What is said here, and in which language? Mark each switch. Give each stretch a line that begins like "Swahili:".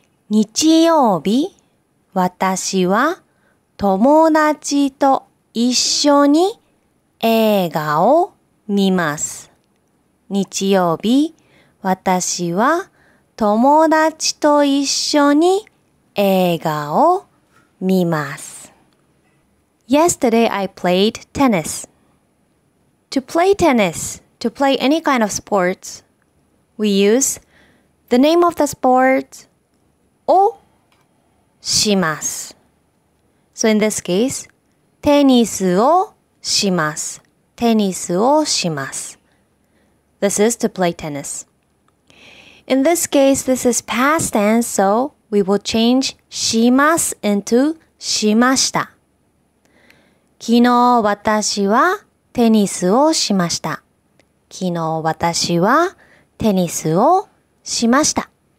Japanese: 日曜日、私は友達と一緒に 映画を見ます。日曜日、私は友達と一緒に映画を見ます。
English: Yesterday, I played tennis. To play tennis, to play any kind of sports, we use the name of the sport
Japanese: をします。
English: So in this case,
Japanese: テニスをします。テニスをします。
English: This is to play tennis. In this case, this is past tense, so we will change します into
Japanese: しました。昨日私はテニスをしました。昨日私はテニスをしました。